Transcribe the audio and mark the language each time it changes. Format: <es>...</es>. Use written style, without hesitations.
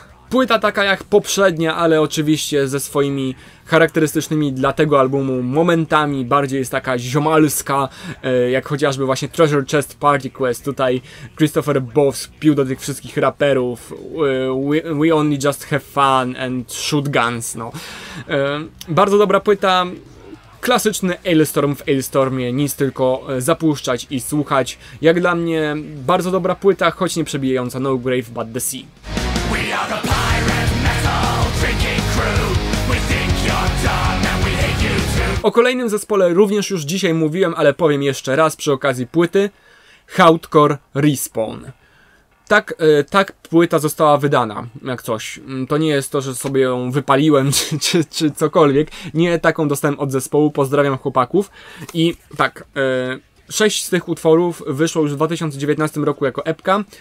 <pl>Płyta taka jak poprzednia, ale oczywiście ze swoimi charakterystycznymi dla tego albumu momentami, bardziej jest taka ziomalska, jak chociażby właśnie Treasure Chest Party Quest, tutaj Christopher Bowes pił do tych wszystkich raperów,</pl> <en>we only just have fun and shoot guns,</en> <pl>no. Bardzo dobra płyta, klasyczny Hailstorm w Hailstormie, nic tylko zapuszczać i słuchać, jak dla mnie bardzo dobra płyta, choć nie przebijająca No Grave But The Sea.</pl> <en>We are the pirate metal drinking crew. We think you're dumb and we hate you too.</en> <pl>O kolejnym zespole również już dzisiaj mówiłem, ale powiem jeszcze raz przy okazji płyty. Hardcore Respawn. tak, tak płyta została wydana, jak coś. To nie jest to, że sobie ją wypaliłem, czy cokolwiek. Nie, taką dostałem od zespołu, pozdrawiam chłopaków. I tak, 6 z tych utworów wyszło już w 2019 roku jako epka.</pl>